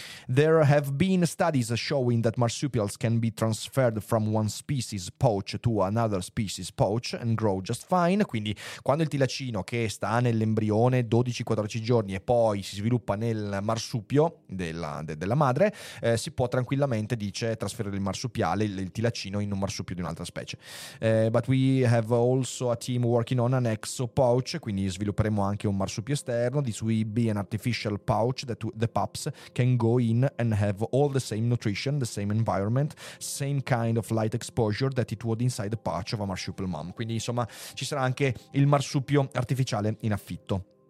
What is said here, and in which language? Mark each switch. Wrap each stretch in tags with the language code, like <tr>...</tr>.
<en>There have been studies showing that marsupials can be transferred from one species pouch to another species pouch and grow just fine.</en> <it>Quindi quando il tilacino che sta nell'embrione 12-14 giorni e poi si sviluppa nel marsupio della madre, si può tranquillamente, dice, trasferire il marsupiale, il tilacino, in un marsupio di un'altra un'altra specie.</it> <en>But we have also a team working on an exo pouch,</en> <it>quindi svilupperemo anche un marsupio esterno.</it> <en>This will be an artificial pouch that the pups can go in and have all the same nutrition, the same environment, same kind of light exposure that it would inside the pouch of a marsupial mom.</en> <it>Quindi insomma ci sarà anche il marsupio artificiale in affitto.</it>